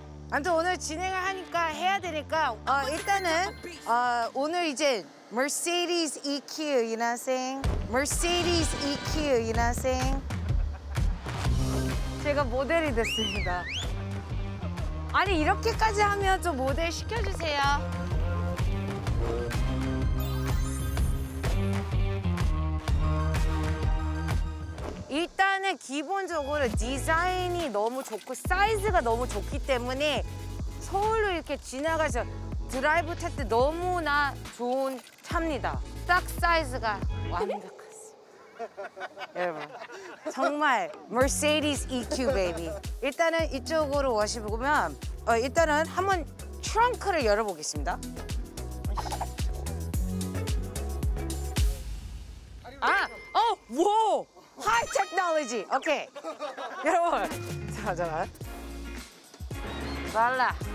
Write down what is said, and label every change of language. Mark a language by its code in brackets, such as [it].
[ko] 아무튼 오늘 진행을 하니까 해야 되니까 일단은 오늘 이제 Mercedes EQ, [en] you know what I'm saying? Mercedes EQ, you know what I'm saying? [ko] 제가 모델이 됐습니다. 아니 이렇게까지 하면 좀 모델 시켜주세요. 일단은 기본적으로 디자인이 너무 좋고 사이즈가 너무 좋기 때문에 서울로 이렇게 지나가서 드라이브 탈 때 너무나 좋은 차입니다. 딱 사이즈가 완벽했어. 여러분 정말 Mercedes EQ baby. 일단은 이쪽으로 와시보면 일단은 한번 트렁크를 열어보겠습니다. 아! 어! 와! 하이 테크놀로지! 오케이! 여러분! 잠깐만. 말라.